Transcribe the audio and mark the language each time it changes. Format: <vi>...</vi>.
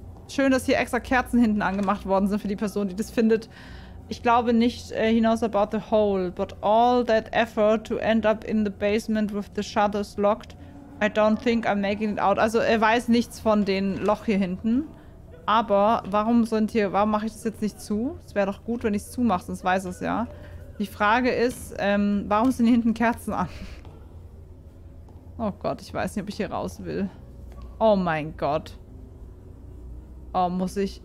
<de>Schön, dass hier extra Kerzen hinten angemacht worden sind für die Person, die das findet. Ich glaube nicht,</de> <en>he knows about the hole, but all that effort to end up in the basement with the shutters locked, I don't think I'm making it out.</en> <de>Also er weiß nichts von dem Loch hier hinten. Aber warum sind hier, warum mache ich das jetzt nicht zu? Es wäre doch gut, wenn ich es zumache, sonst weiß es ja. Die Frage ist, warum sind hier hinten Kerzen an? Oh Gott, ich weiß nicht, ob ich hier raus will. Oh mein Gott. Oh, muss ich?</de>